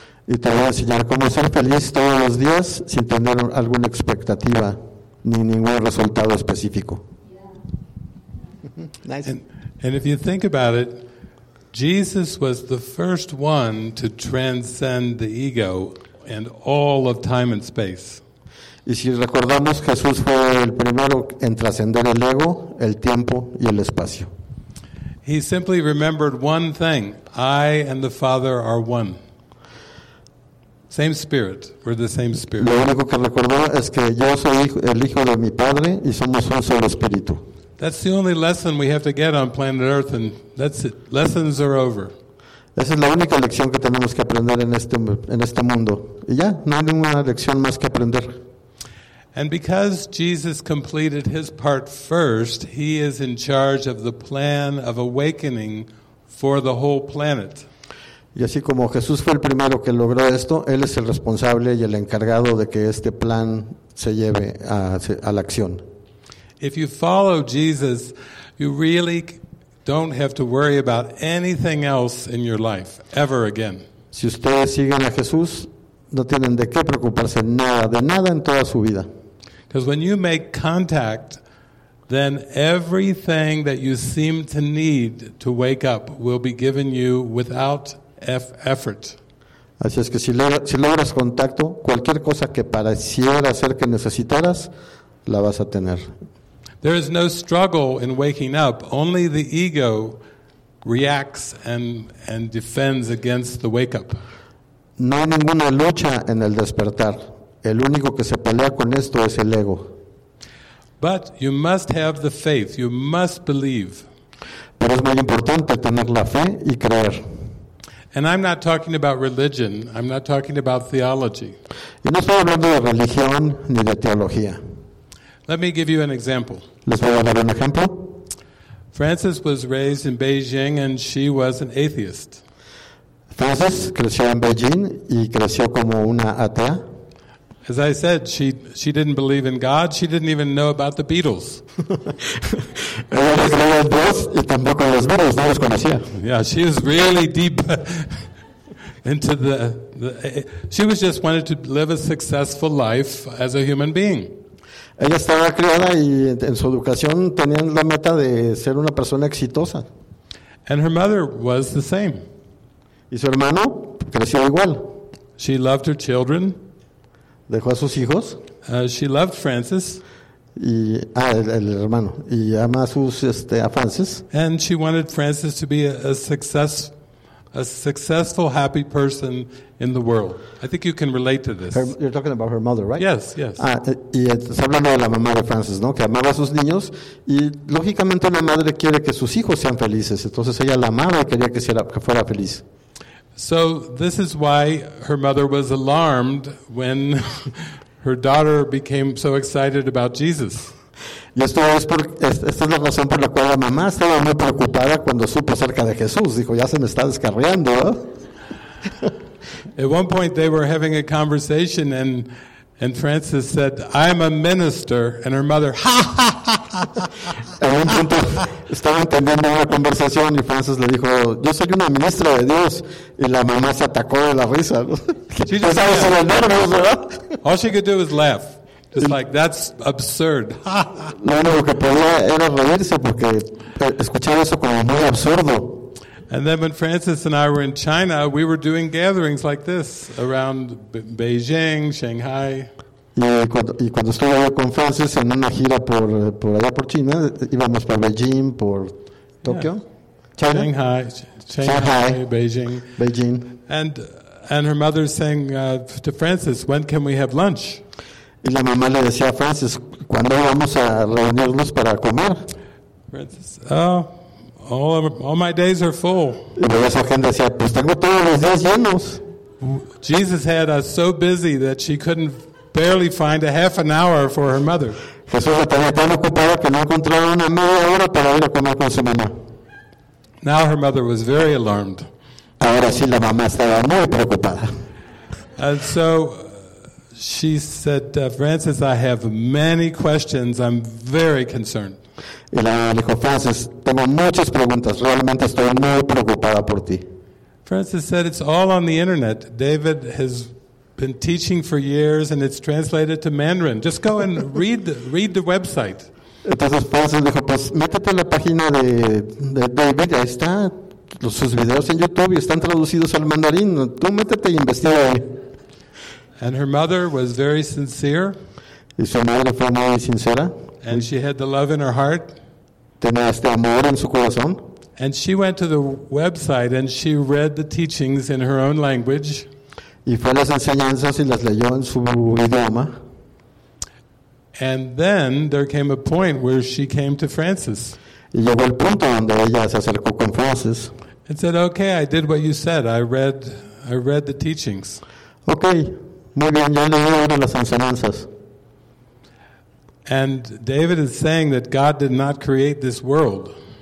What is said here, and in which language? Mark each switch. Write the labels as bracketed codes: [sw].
[es] Y te voy a enseñar cómo ser feliz todos los días sin tener alguna expectativa ni ningún resultado específico. [en] Nice. And if you think about it, Jesus was the first one to transcend the ego and all of time and space. [es] Y si recordamos, Jesús fue el primero en trascender el ego, el tiempo y el espacio. [en] He simply remembered one thing: I and the Father are one. Same spirit. We're the same spirit. [es] Lo único que recordó es que yo soy el hijo de mi Padre y somos un solo espíritu. [en] That's the only lesson we have to get on planet Earth, and that's it. Lessons are over. [es] Esa es la única lección que tenemos que aprender en este mundo. Y ya, no hay ninguna lección más que aprender. [en] And because Jesus completed his part first, he is in charge of the plan of awakening for the whole planet. [es] Y así como Jesús fue el primero que logró esto, él es el responsable y el encargado de que este plan se lleve a la acción. [en] If you follow Jesus, you really don't have to worry about anything else in your life ever again. [es] Si ustedes siguen a Jesús, no tienen de qué preocuparse nada, de nada en toda su vida. [en] Because when you make contact, then everything that you seem to need to wake up will be given you without effort. [es] Así es que si logras contacto, cualquier cosa que pareciera ser que necesitaras, la vas a tener. [en] There is no struggle in waking up. Only the ego reacts and defends against the wake up. [es] No hay ninguna lucha en el despertar. El único que se pelea con esto es el ego. [en] But you must have the faith. You must believe. [es] Pero es muy importante tener la fe y creer. [en] And I'm not talking about religion. I'm not talking about theology. [es] Y no estoy hablando de religión ni de teología. [en] Let me give you an example. [es] ¿Les voy a dar un ejemplo? [en] Frances was raised in Beijing and she was an atheist. [es] Frances creció en Beijing y creció como una atea. [en] As I said, she didn't believe in God. She didn't even know about the Beatles. [es] Ella no creía en Dios y tampoco en los Beatles, no los conocía. [en] Yeah, she was really deep into she was just wanted to live a successful life as a human being. [es] Ella estaba criada y en su educación tenían la meta de ser una persona exitosa. [en] And her mother was the same. [es] Y su hermano creció igual. [en] She loved her children. [es] Dejó a sus hijos. [en] She loved Francis. [es] Y el hermano. Y ama a Francis. [en] And she wanted Francis to be a successful, happy person in the world. I think you can relate to this. You're talking about her mother, right? Yes, yes. [es] Y está hablando de la mamá de Frances, ¿no? Que amaba a sus niños. Y lógicamente una madre quiere que sus hijos sean felices. Entonces ella la amaba y quería que fuera feliz. [en] So this is why her mother was alarmed when her daughter became so excited about Jesus. [es] Y esta es la razón por la cual la mamá estaba muy preocupada cuando supo acerca de Jesús. Dijo, ya se me está descarriando. [en] At one point they were having a conversation and Frances said, I'm a minister. And her mother, ha, ha, ha, ha. [es] En un punto estaban teniendo una conversación y Frances le dijo, yo soy una ministra de Dios. Y la mamá se atacó de la risa. [en] She just was so nervous, [es] ¿verdad? [en] All she could do was laugh. Just like, that's absurd. [es] Lo único que podía era reírse porque escuchaba eso como muy absurdo. [en] And then when Francis and I were in China, we were doing gatherings like this around Beijing, Shanghai. [es] Y cuando estuve yo con Francis en una gira por allá por China, íbamos por Beijing, por Tokio, yeah. [en] China. Shanghai, Beijing. And her mother saying to Francis, when can we have lunch? [es] Y la mamá le decía a Francis, ¿cuándo vamos a reunirnos para comer? [en] Francis, all my days are full. [es] Y luego esa gente decía, pues tengo todos los días llenos. [en] Jesus had us so busy that she couldn't barely find a half an hour for her mother. [es] Jesús estaba tan ocupado que no encontraba una media hora para ir a comer con su mamá. [en] Now her mother was very alarmed. [es] Ahora sí, la mamá estaba muy preocupada. [en] And so she said, Francis, I have many questions. I'm very concerned. [es] Y la mamá dijo, Francis, tengo muchas preguntas. Realmente estoy muy preocupada por ti. [en] Francis said, it's all on the internet. David has been teaching for years and it's translated to Mandarin. Just go and read the website. [es] Entonces Francis dijo, pues métete en la página de David, ahí está. Sus videos en YouTube están traducidos al mandarín. Tú métete y investiga ahí. [en] And her mother was very sincere. [es] Y su madre fue muy sincera. [en] And she had the love in her heart. [es] Tenía este amor en su corazón. [en] And she went to the website and she read the teachings in her own language. [es] Y fue a las enseñanzas y las leyó en su idioma. [en] And then there came a point where she came to Francis. [es] Y llegó el punto donde ella se acercó con Francis. [en] And said, okay, I did what you said. I read the teachings. [es] Okay. Muy bien, ya leí ahora las enseñanzas. [en] And David is saying that God did not create this world.